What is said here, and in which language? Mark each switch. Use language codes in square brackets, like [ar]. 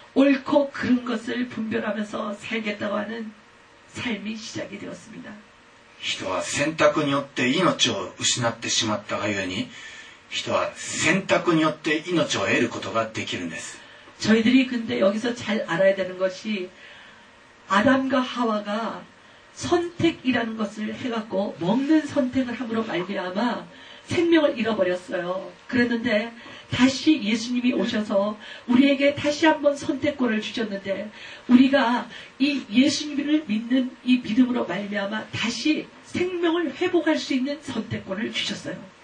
[ko] 옳고 그른 것을 분별하면서 살겠다고 하는 삶이 시작이 되었습니다. [ja] 人は選択によって命を失ってしまったがゆえに人は選択によって命を得ることができるんです。 [ko] 저희들이 근데 여기서 잘 알아야 되는 것이 아담과 하와가 선택이라는 것을 해갖고 먹는 선택을 함으로 말미암아 생명을 잃어버렸어요. 그랬는데 다시 예수님이 오셔서 우리에게 다시 한번 선택권을 주셨는데 우리가 이 예수님을 믿는 이 믿음으로 말미암아 다시 생명을 회복할 수 있는 선택권을 주셨어요.